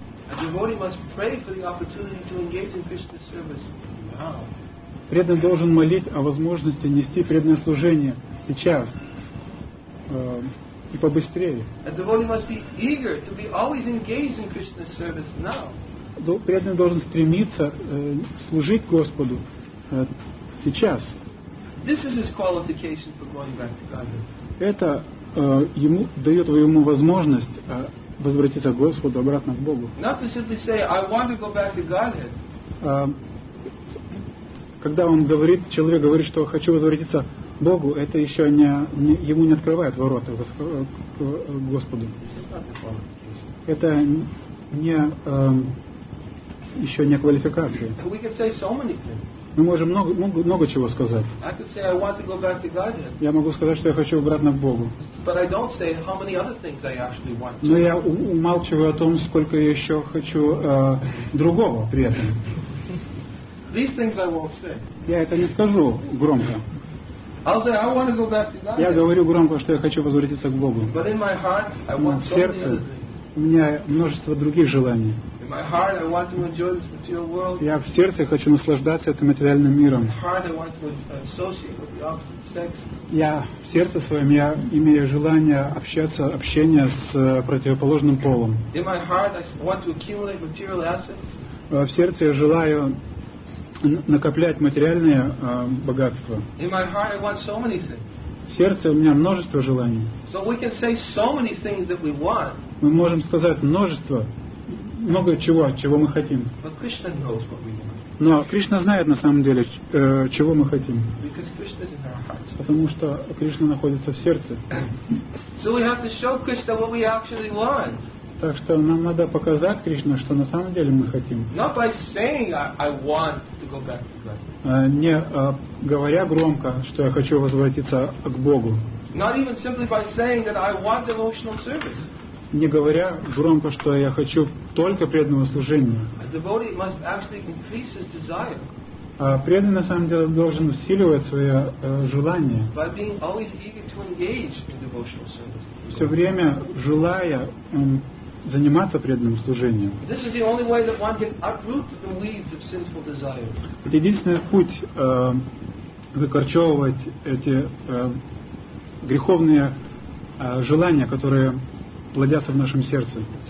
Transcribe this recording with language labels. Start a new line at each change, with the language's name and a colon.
English: A devotee must pray for the opportunity to engage in Krishna service now.
Russian: Преданный должен молить о возможности нести преданное служение сейчас. И побыстрее.
English: A devotee must be eager to be always engaged in Krishna's service now.
Russian: Преданный должен стремиться служить Господу сейчас.
English: This is his qualification for going back to Godhead.
Russian: Это ему дает ему возможность возвратиться к Господу, обратно к Богу.
English: Not to simply say, I want to go back to Godhead.
Russian: Когда он говорит, человек говорит, что хочу возвратиться Богу, это еще не ему не открывает ворота к Господу. Это не еще не квалификация.
English: We can say so many things.
Russian: Мы можем много чего сказать.
English: I could say I want to go back to God.
Russian: Я могу сказать, что я хочу обратно к Богу.
English: But I don't say how many other things I actually want.
Russian: Но я умалчиваю о том, сколько я еще хочу другого при этом.
English: These things I won't say.
Russian: Я это не скажу громко.
English: I'll say, I want to go back to God.
Russian: Я говорю громко, что я хочу возвратиться к Богу.
English: But in my heart, I want
Russian: в сердце у меня множество других желаний.
English: In my heart, I want to enjoy this material world.
Russian: Я в сердце хочу наслаждаться этим материальным миром.
English: In my heart, I want to associate with the opposite sex.
Russian: Я в сердце своем я имею желание общение с противоположным полом.
English: In my heart, I want to accumulate material assets.
Russian: В сердце я желаю накоплять материальные богатства.
English: In my heart, I want so many things.
Russian: В сердце у меня множество желаний.
English: So we can say so many things that we want.
Russian: Мы можем сказать множество, много чего мы хотим.
English: But Krishna knows what we want.
Russian: Но Кришна знает на самом деле, чего мы хотим.
English: Because Krishna is in our hearts.
Russian: Потому что Кришна находится в сердце.
English: So we have to show Krishna what we actually want.
Russian: Так что нам надо показать Кришне, что на самом деле мы хотим.
English: Not by saying I want to go back to God.
Russian: Не говоря громко, что я хочу возвратиться к Богу.
English: Not even simply by saying that I want devotional service.
Russian: Не говоря громко, что я хочу только преданного служения.
English: A devotee must actually increase his desire.
Russian: А преданный на самом деле должен усиливать свое желание.
English: By being always eager to engage in devotional service.
Russian: Все время желая заниматься преданным служением.
English: This is the only way that one can uproot the weeds of sinful desires.
Russian: Это единственный путь выкорчевывать эти греховные желания, которые плодятся в нашем сердце.